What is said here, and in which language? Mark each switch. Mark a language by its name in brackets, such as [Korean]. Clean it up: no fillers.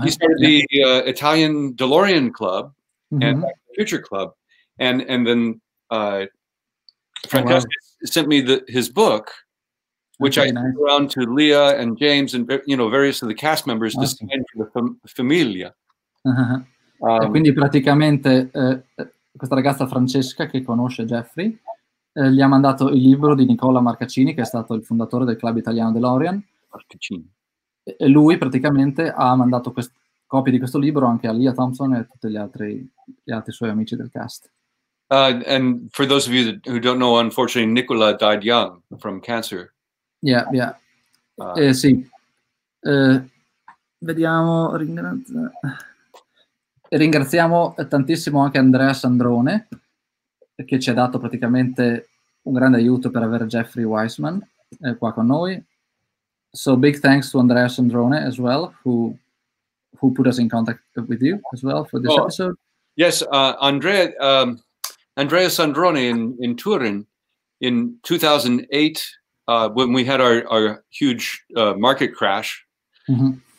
[English] He started the Italian DeLorean Club, mm-hmm. and Future Club, and then Francesca sent me his book, which I sent around to Leah and James and, you know, various of the cast members to sign for the Familia. Uh-huh. [Italian] E quindi praticamente questa ragazza Francesca, che conosce Jeffrey, gli ha mandato il libro di Nicola Marcaccini, che è stato il fondatore del club italiano DeLorean. Marcaccini. E lui praticamente ha mandato copie di questo libro anche a Leah Thompson e a tutti gli altri suoi amici del cast. [English] And for those of you who don't know, unfortunately, Nicola died young from cancer. [Italian] Yeah. Sì. Vediamo. Ringraziamo tantissimo anche Andrea Sandrone, che ci ha dato praticamente un grande aiuto per avere Jeffrey Wiseman qua con noi. [English] So big thanks to Andrea Sandrone as well, who put us in contact with you as well for this episode. Yes, Andrea Sandrone in Turin in 2008, when we had our huge market crash, mm-hmm.